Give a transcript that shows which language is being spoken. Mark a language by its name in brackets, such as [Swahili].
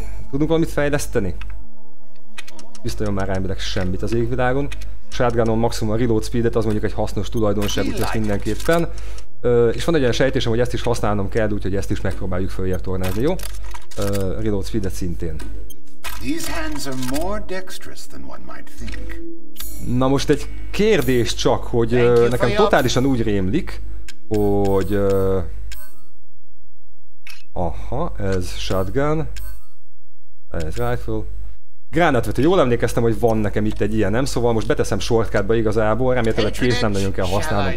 [Hungarian] Tudunk valamit fejleszteni? Biztosan már elmileg semmit az égvilágon. Shotgunon maximum a reload speedet, az mondjuk egy hasznos tulajdonság, úgyhogy ezt mindenképpen. És van egy olyan sejtésem, hogy ezt is használnom kell, úgyhogy ezt is megpróbáljuk följebb tornázni, jó? Reload speedet szintén. [English] These hands are more dexterous than one might think. [Hungarian] Na most egy kérdés csak, hogy nekem totálisan úgy rémlik, hogy... aha, ez shotgun, ez rifle. Gránátvető, jól emlékeztem, hogy van nekem itt egy ilyen, nem? Szóval most beteszem shortcutba igazából, remélhetőleg kész nem nagyon kell használnom.